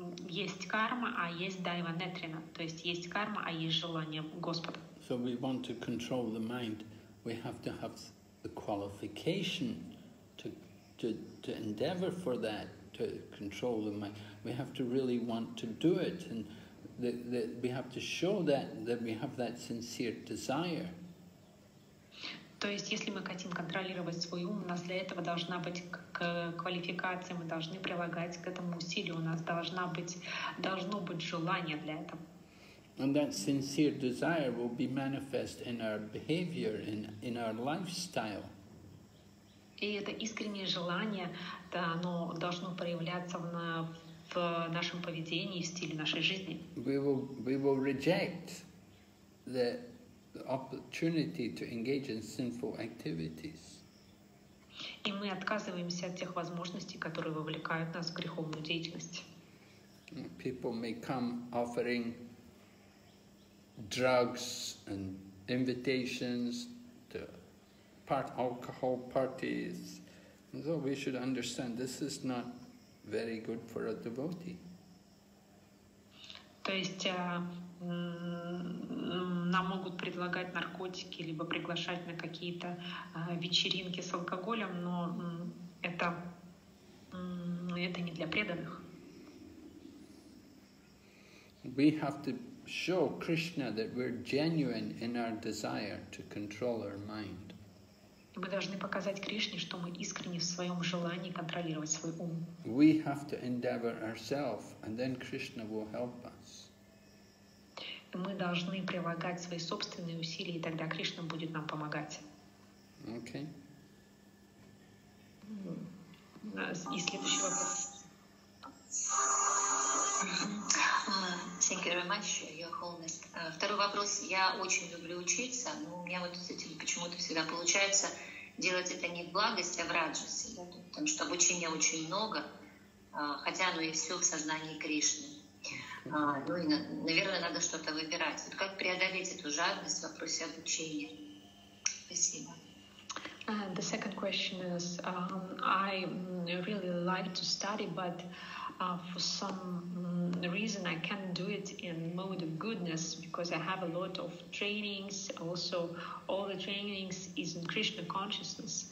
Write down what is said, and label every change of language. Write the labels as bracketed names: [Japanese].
[Russian] Есть карма, а есть дайва нетрина, то есть карма, а есть желание Господа. [English] So we want to control the mind, we have to have the qualification to endeavor for that, to control the mind. We have to really want to do it, and that we have to show that we have that sincere desire. [Russian] То есть, если мы хотим контролировать свой ум, у нас для этого должна быть квалификация, мы должны прилагать к этому усилию, у нас должно быть желание для этого. [English] And that sincere desire will be manifest in our behavior, in our lifestyle. [Russian] И это искреннее желание, да, оно должно проявляться в нашем поведении, в стиле нашей жизни. [English] We will reject the opportunity to engage in sinful activities. [Russian] И мы отказываемся от тех возможностей, которые вовлекают нас в греховную деятельность. [English] People may come offering drugs and invitations to part alcohol parties. And so we should understand this is not very good for a devotee. [Russian] То есть нам могут предлагать наркотики либо приглашать на какие-то вечеринки с алкоголем, но это не для преданных. [English] We have to show Krishna that we're genuine in our desire to control our mind. [Russian] Мы должны показать Кришне, что мы искренне в своем желании контролировать свой ум. [English] We have to endeavor ourselves, and then Krishna will help us. [Russian] Мы должны прилагать свои собственные усилия, и тогда Кришна будет нам помогать. [English] Okay. [Russian] И следующий вопрос. [English] Thank you very much, Your Holiness. [Russian] Второй вопрос. Я очень люблю учиться, но у меня вот с этим почему-то всегда получается делать это не в благость, а в раджасе, да? Потому что обучения очень много, хотя оно и все в сознании Кришны. Наверное, надо что-то выбирать. Вот как преодолеть эту жадность в вопросе обучения? Спасибо. [English] The second question is, I really like to study, but for some reason I can't do it in mode of goodness because I have a lot of trainings. Also, all the trainings is in Krishna consciousness.